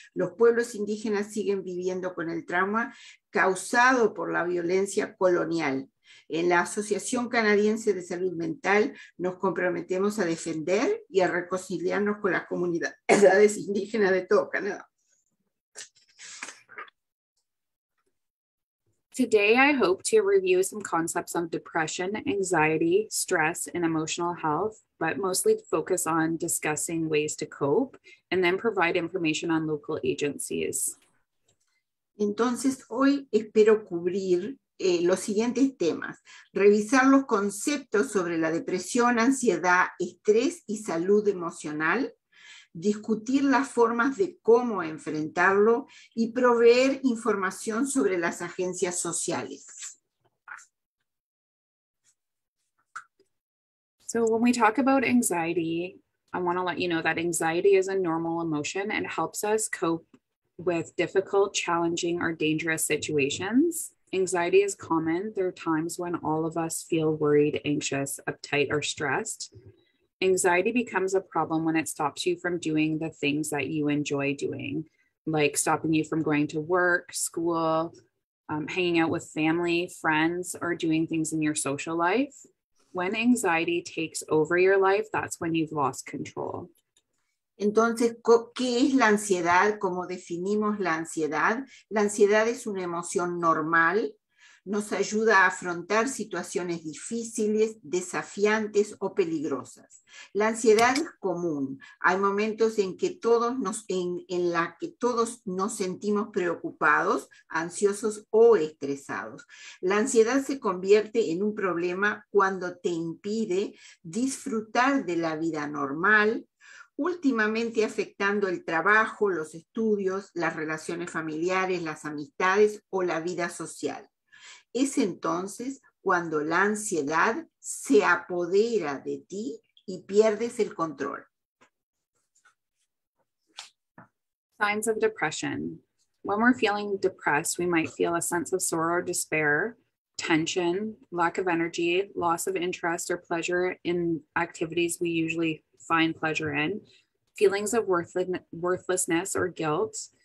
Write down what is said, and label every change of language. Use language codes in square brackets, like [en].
[es] Los pueblos indígenas siguen viviendo con el trauma causado por la violencia colonial. En la Asociación Canadiense de Salud Mental nos comprometemos a defender y a reconciliarnos con las comunidades indígenas de todo Canadá. [en] Today I hope to review some concepts on depression, anxiety, stress, and emotional health, but mostly focus on discussing ways to cope and then provide information on local agencies. [es] Entonces hoy espero cubrir los siguientes temas: revisar los conceptos sobre la depresión, ansiedad, estrés y salud emocional, discutir las formas de cómo enfrentarlo y proveer información sobre las agencias sociales. [en] So when we talk about anxiety, I want to let you know that anxiety is a normal emotion and helps us cope with difficult, challenging, or dangerous situations. Anxiety is common. There are times when all of us feel worried, anxious, uptight, or stressed. Anxiety becomes a problem when it stops you from doing the things that you enjoy doing, like stopping you from going to work, school, hanging out with family, friends, or doing things in your social life. When anxiety takes over your life, that's when you've lost control. [es] Entonces, ¿qué es la ansiedad? ¿Cómo definimos la ansiedad? La ansiedad es una emoción normal nos ayuda a afrontar situaciones difíciles, desafiantes o peligrosas. La ansiedad es común. Hay momentos en que todos nos, en la que todos nos sentimos preocupados, ansiosos o estresados. La ansiedad se convierte en un problema cuando te impide disfrutar de la vida normal, últimamente afectando el trabajo, los estudios, las relaciones familiares, las amistades o la vida social. Es entonces cuando la ansiedad se apodera de ti y pierdes el control. [en] Signs of depression. When we're feeling depressed, we might feel a sense of sorrow or despair, tension, lack of energy, loss of interest or pleasure in activities we usually find pleasure in, feelings of worthlessness or guilt.